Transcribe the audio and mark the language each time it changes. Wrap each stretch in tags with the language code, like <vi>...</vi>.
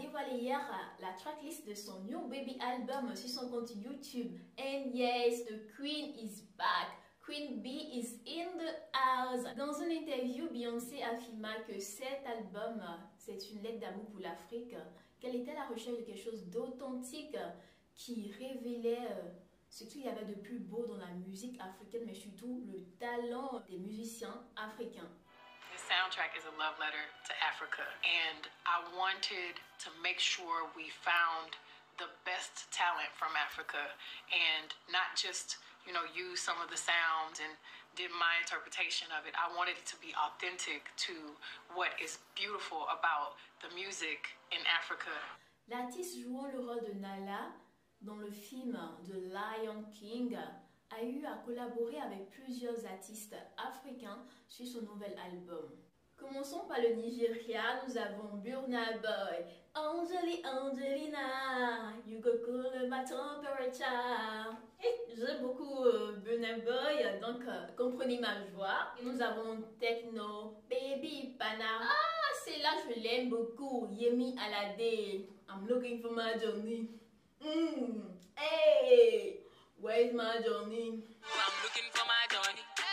<fr>Hier la tracklist de son</fr> <en>new baby album</en> <fr>sur son compte YouTube.</fr> <en>And yes, the queen is back. Queen Bee is in the house.</en> <fr>Dans une interview, Beyoncé affirma que cet album, c'est une lettre d'amour pour l'Afrique, qu'elle était à la recherche de quelque chose d'authentique qui révélait ce qu'il y avait de plus beau dans la musique africaine, mais surtout le talent des musiciens africains.</fr> <en>Soundtrack is a love letter to Africa, and I wanted to make sure we found the best talent from Africa and not just, you know, use some of the sounds and did my interpretation of it. I wanted it to be authentic to what is beautiful about the music in Africa.</en> <fr>L'artiste jouant le rôle de Nala dans le film The Lion King a eu à collaborer avec plusieurs artistes africains sur son nouvel album. Commençons par le Nigeria, nous avons Burna Boy.</fr> <en>Anjali Angelina, you go cool my temperature.</en> <fr>J'aime beaucoup Burna Boy, donc comprenez ma joie. Et nous avons Techno, Baby Pana. Ah, c'est là je l'aime beaucoup, Yemi Alade.</fr> <en>I'm looking for my journey. Hey, where's my journey? I'm looking for my journey.</en>